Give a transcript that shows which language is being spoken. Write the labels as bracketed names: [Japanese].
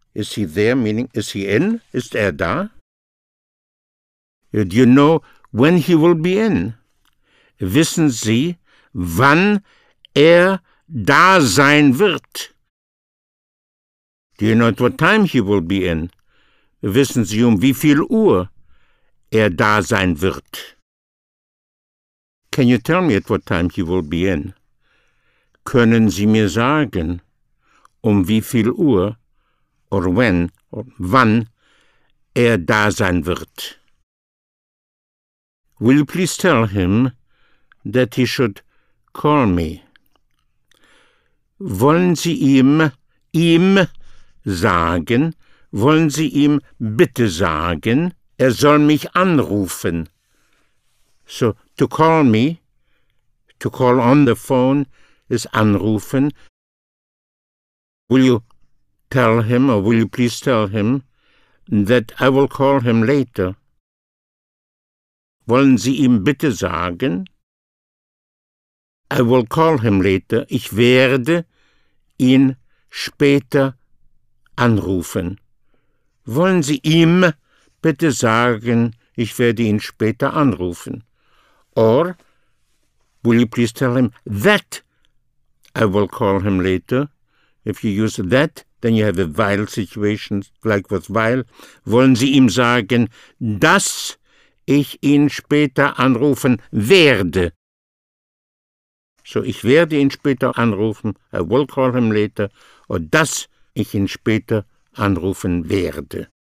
[English] Is he there, meaning is he in? [German] Ist er da? [English] Do you know when he will be in? [German] Wissen Sie, wann er da sein wird? [English] Do you know at what time he will be in? [German] Wissen Sie, wie viel Uhr er da sein wird? [English] Can you tell me at what time he will be in? [German] Können Sie mir sagen, wie viel Uhr, [English] or when, or [German] wann, er da sein wird? [English] Will you please tell him that he should call me? [German] Wollen Sie ihm sagen, wollen Sie ihm bitte sagen, er soll mich anrufen? [English] So, to call me, to call on the phone, is anrufen. Will you tell him, or will you please tell him, that I will call him later? [German] Wollen Sie ihm bitte sagen? [English] I will call him later. [German] Ich werde ihn später anrufen. Wollen Sie ihm bitte sagen, ich werde ihn später anrufen? [English] Or, will you please tell him that I will call him later? If you use that, then you have a while situation, like with while. [German] Wollen Sie ihm sagen, dass ich ihn später anrufen werde? So, ich werde ihn später anrufen, [English] I will call him later, or [German] dass ich ihn später anrufen werde.